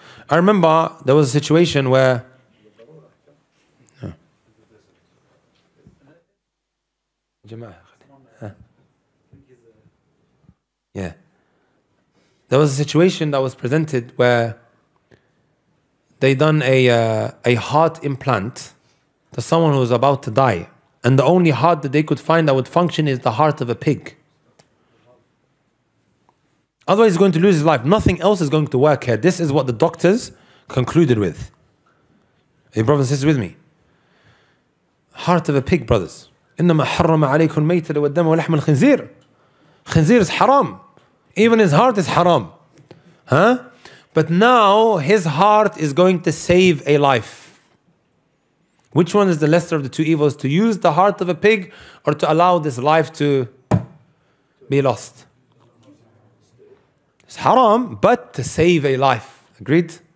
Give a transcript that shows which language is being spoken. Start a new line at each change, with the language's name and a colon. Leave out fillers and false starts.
English: I remember there was a situation where there was a situation that was presented where they done a heart implant to someone who was about to die, and the only heart that they could find that would function is the heart of a pig. Otherwise, he's going to lose his life. Nothing else is going to work here. This is what the doctors concluded with. Are you brothers and sisters with me? Heart of a pig, brothers.
Arabic: إِنَّمَا حَرَّمَ عَلَيْكُمْ مَيْتَ وَالدَّمَ وَلَحْمَ الْخِنْزِيرِ
English: Khinzir is haram. Even his heart is haram. Huh? But now his heart is going to save a life. Which one is the lesser of the two evils? To use the heart of a pig or to allow this life to be lost? It's haram, but to save a life. Agreed?